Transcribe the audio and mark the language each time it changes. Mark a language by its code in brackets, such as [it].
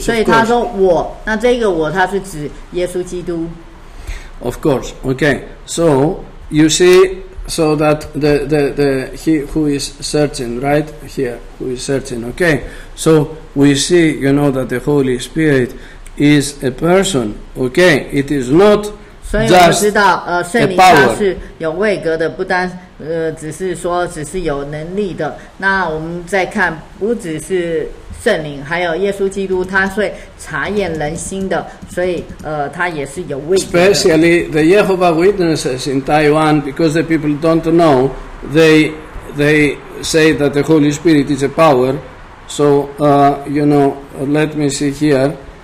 [zh] 所以他说我，那这个我他是指耶稣基督。 [en] Of course, okay. So you see. So that the he who is searching right here, who is searching, okay. So we see, you know, that the Holy Spirit is a person, okay. It is not just a power. [zh] 所以我们知道，圣灵它是有位格的，不单只是说只是有能力的。那我们再看，不只是圣灵，还有耶稣基督，他会查验人心的，所以他也是有位格的。 [en] Especially the Jehovah Witnesses in Taiwan, because the people don't know, they say that the Holy Spirit is a power. So, you know, let me see here.